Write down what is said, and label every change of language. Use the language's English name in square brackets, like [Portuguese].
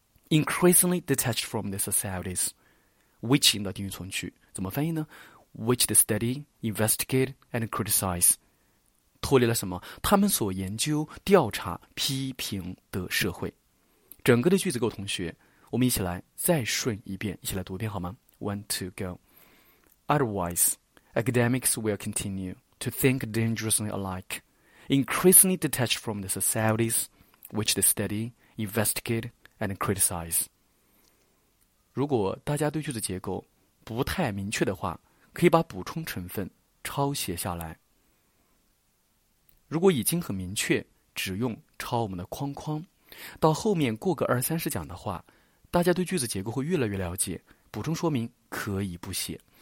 [English] Increasingly detached from the societies which [Chinese] 引导定语从句怎么翻译呢？ [English] Which they study, investigate and criticize [Chinese] 脱离了什么？他们所研究调查批评的社会。整个的句子给我同学，我们一起来再顺一遍，一起来读一遍好吗？ [English] One, two, go. Otherwise, academics will continue to think dangerously alike, increasingly detached from the societies which they study, investigate, and criticize. [Chinese] 如果大家对句子结构不太明确的话，可以把补充成分抄写下来。如果已经很明确，只用抄我们的框框，到后面过个二三十讲的话，大家对句子结构会越来越了解，补充说明可以不写。